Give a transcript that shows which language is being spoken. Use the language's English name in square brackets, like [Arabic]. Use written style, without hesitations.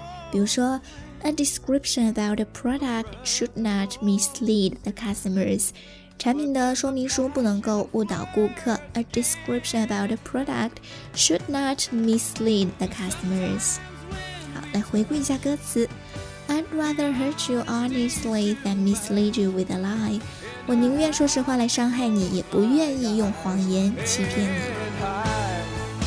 [Chinese] 比如说 [English] A description about a product should not mislead the customers. [Chinese] 产品的说明书不能够误导顾客。 [English] A description about a product should not mislead the customers. [Chinese] 好，来回顾一下歌词。 [English] I'd rather hurt you honestly than mislead you with a lie. [Chinese] 我宁愿说实话来伤害你，也不愿意用谎言欺骗你。